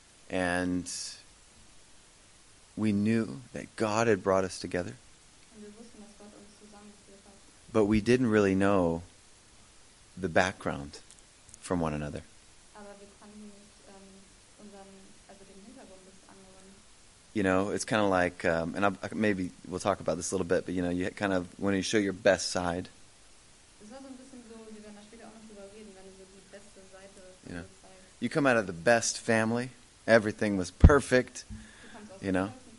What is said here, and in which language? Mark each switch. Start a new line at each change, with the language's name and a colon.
English: And we knew that God had brought us together.
German: Und wir wussten, dass Gott uns zusammengeführt hat.
English: But we didn't really know the background from one another.
German: Aber wir kannten nicht, den Hintergrund des anderen.
English: You know, it's kind of like, and maybe we'll talk about this a little bit, but you know, you kind of, when you show your best side.
German: Das war so ein bisschen so, wir werden da später auch noch drüber reden, wenn du so die beste Seite zeigst.
English: You know, you come out of the best family. Everything was perfect, you know.